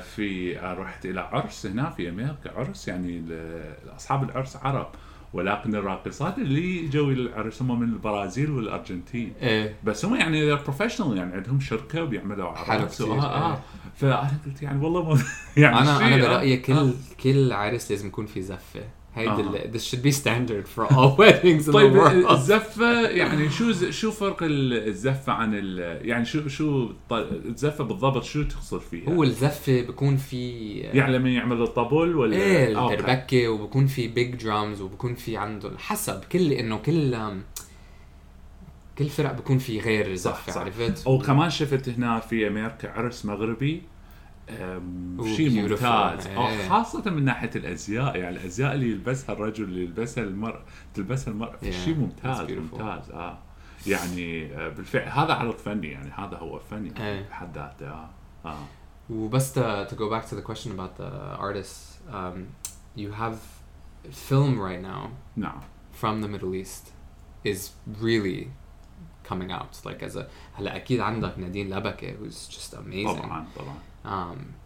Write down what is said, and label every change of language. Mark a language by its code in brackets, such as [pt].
[ar] في رحت إلى عرس هنا في أمريكا, عرس يعني لأصحاب العرس عرب, ولكن الراقصات اللي جوا العرس هم من البرازيل والأرجنتين. إيه. بس هم يعني [en] they're professional, [ar] يعني عندهم شركة وبيعملوا عرس. فأنا قلت يعني والله يعني أنا برأيي كل عرس لازم يكون في زفة. هاي [en] this should be standard for all weddings in the world. [ar] الزفة يعني شو فرق الزفة عن يعني شو الزفة بالضبط شو تخسر فيها؟ هو الزفة بكون في يعني لما يعمل الطبل ولا التربكة, وبكون في [en] big drums, [ar] وبكون في عنده حسب كل إنه كل فرق بكون في غير زفة, عرفت؟ وكمان شفت هنا في أمريكا عرس مغربي شيء ممتاز, خاصة من ناحية الأزياء, يعني الأزياء اللي يلبسها الرجل اللي يلبسها المرأة تلبسها المرأة شيء ممتاز يعني بالفعل هذا عرض فني, يعني هذا هو فني بحد ذاته. [en] وبس to go back to the question about the artists, you have film right now from the Middle East is really coming out, like as a [ar] هلا أكيد عندك نادين لبكة [en] who's just amazing. [ar] طبعاً